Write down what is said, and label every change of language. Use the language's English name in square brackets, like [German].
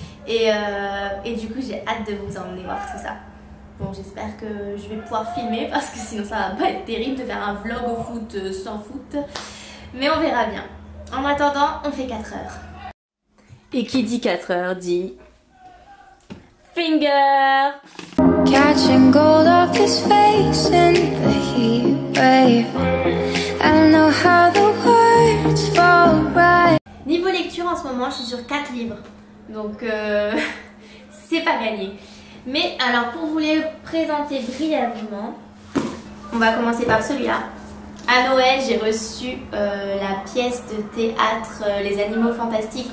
[French] Et du coup j'ai hâte de vous emmener voir tout ça. Bon, j'espère que je vais pouvoir filmer parce que sinon ça va pas être terrible de faire un vlog au foot sans foot. Mais on verra bien. En attendant, on fait 4 heures. Et qui dit 4 heures dit... Finger! [English] Catching gold off his face in the heat wave. I don't know how the words fall right. [French] Niveau lecture, en ce moment je suis sur 4 livres. Donc c'est pas gagné. Mais alors, pour vous les présenter brièvement, on va commencer par celui-là. À Noël, j'ai reçu la pièce de théâtre Les Animaux Fantastiques.